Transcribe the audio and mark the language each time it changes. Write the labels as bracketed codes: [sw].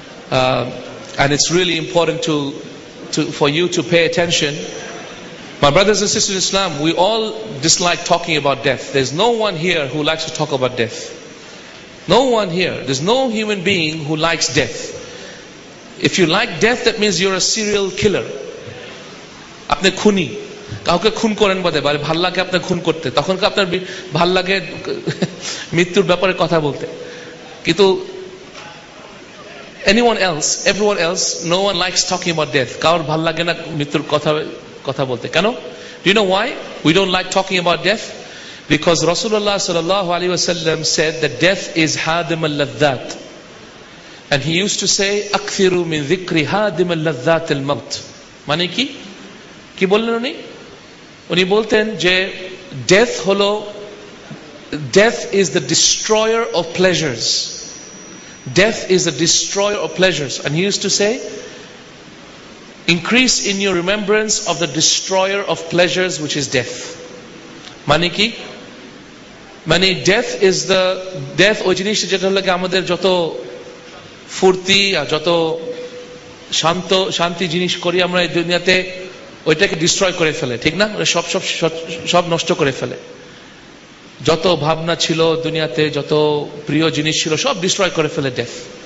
[en] And it's really important to for you to pay attention. My brothers and sisters in Islam, we all dislike talking about death. There's no one here who likes to talk about death. No one here. There's no human being who likes death. If you like death, that means you're a serial killer. [bn] আপনি খুনি, কাউকে খুন করেন বলতে বারে ভাল লাগে আপনার খুন করতে, তখন আপনার ভাল লাগে মৃত্যুর ব্যাপারে কথা বলতে, কিন্তু [en] anyone else, everyone else, no one likes talking about death. [bn] কারোর ভাল লাগে না মৃত্যুর কথা কথা বলতে, কেন? [en] Do you know why we don't like talking about death? Because Rasulullah sallallahu alaihi wasallam said that death is hadim al-ladhat, and he used to say [ar] akthiru min dhikri hadim al-ladhat al-maut. [bn] মানে কি কি বললেন উনি? উনি বলতেন যে [en] death হলো, death is the destroyer of pleasures, death is the destroyer of pleasures, and he used to say increase in your remembrance of the destroyer of pleasures, which is death. [bn] মানে কি? মানে [en] death is the death, [bn] ওই জিনিসটা যেটা হলো আমাদের যত ফুর্তি আর যত শান্ত শান্তি জিনিস করি আমরা এই দুনিয়াতে ওইটাকে ডিস্ট্রয় করে ফেলে, ঠিক না? সব সব সব নষ্ট করে ফেলে, যত ভাবনা ছিল দুনিয়াতে, যত প্রিয় জিনিস ছিল সব ডিস্ট্রয় করে ফেলে death.